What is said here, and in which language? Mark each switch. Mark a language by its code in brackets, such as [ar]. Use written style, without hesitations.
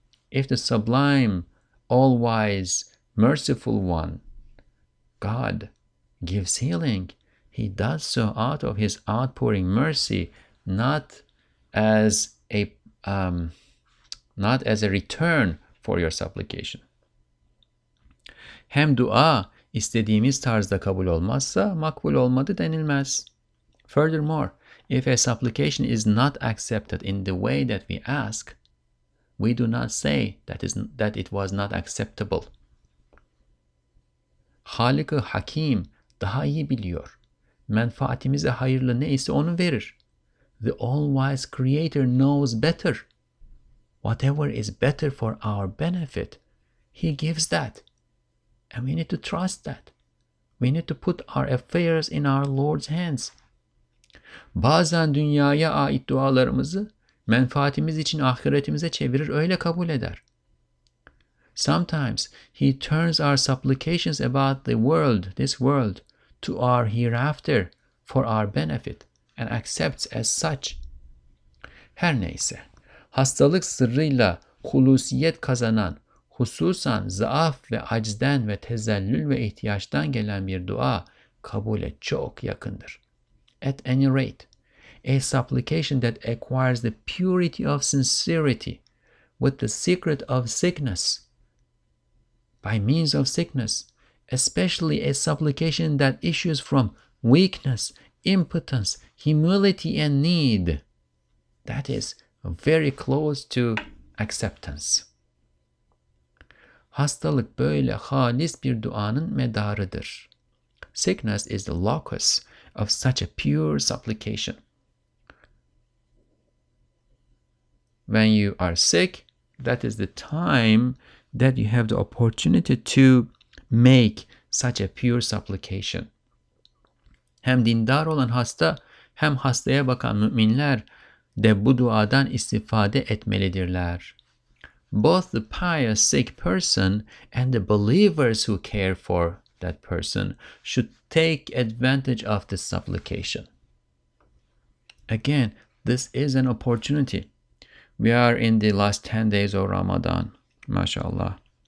[en] If the sublime, all-wise, merciful one, God, gives healing, he does so out of his outpouring mercy, not as a return for your supplication. [tr] Hem dua istediğimiz tarzda kabul olmazsa makbul olmadı denilmez. [en] Furthermore, if a supplication is not accepted in the way that we ask, we do not say that it was not acceptable. [tr] Halik-ı Hakim daha iyi biliyor. Menfaatimize hayırlı ne ise onu verir. [en] The all-wise creator knows better. Whatever is better for our benefit, he gives that. And we need to trust that. We need to put our affairs in our Lord's hands. [tr] Bazen dünyaya ait dualarımızı menfaatimiz için ahiretimize çevirir, öyle kabul eder. [en] Sometimes he turns our supplications about the world, this world, to our hereafter for our benefit and accepts as such. [tr] Her neyse, hastalık sırrıyla hulusiyet kazanan, hususan zaaf ve acizden ve tezellül ve ihtiyaçtan gelen bir dua kabule çok yakındır. [en] At any rate, a supplication that acquires the purity of sincerity with the secret of sickness, by means of sickness, especially a supplication that issues from weakness, impotence, humility and need, that is very close to acceptance. [tr] Hastalık böyle halis bir duanın medarıdır. [en] Sickness is the locus of such a pure supplication. When you are sick, that is the time that you have the opportunity to make such a pure supplication. [tr] Hem dindar olan hasta, hem hastaya bakan müminler de bu duadan istifade etmelidirler. [en] Both the pious sick person and the believers who care for that person should take advantage of this supplication. Again, this is an opportunity. We are in the last 10 days of Ramadan. MashaAllah.